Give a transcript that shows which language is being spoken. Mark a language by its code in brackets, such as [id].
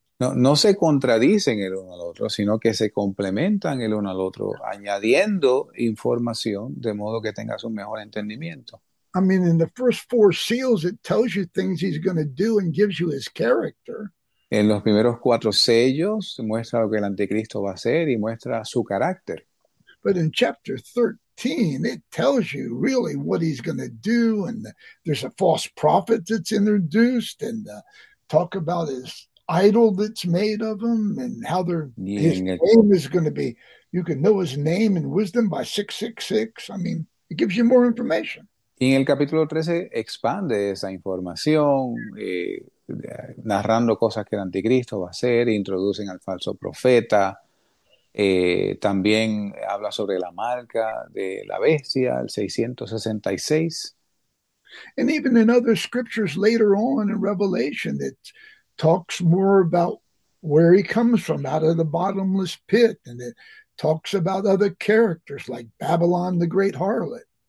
[es] No, no se contradicen el uno al otro, sino que se complementan el uno al otro, añadiendo información de modo que tengas un mejor entendimiento. [en] I mean, in the first four seals, it tells you things he's going to do and gives you his character. [es] En los primeros 4 sellos muestra lo que el anticristo va a hacer y muestra su carácter. [en] But in chapter 13, it tells you really what he's going to do, and there's a false prophet that's introduced, and talk about his idol that's made of him, and how [es] Y [en] his [es] en el [en] name is going to be. You can know his name and wisdom by 666. I mean, it gives you more information. [es] capítulo 13 expande esa información. Narrando cosas que el anticristo va a hacer, introducen al falso profeta, también habla sobre la marca de la bestia, el 666. [en] And even in other scriptures later on in Revelation, it talks more about where he comes from, out of the bottomless pit, and it talks about other characters like Babylon the Great Harlot.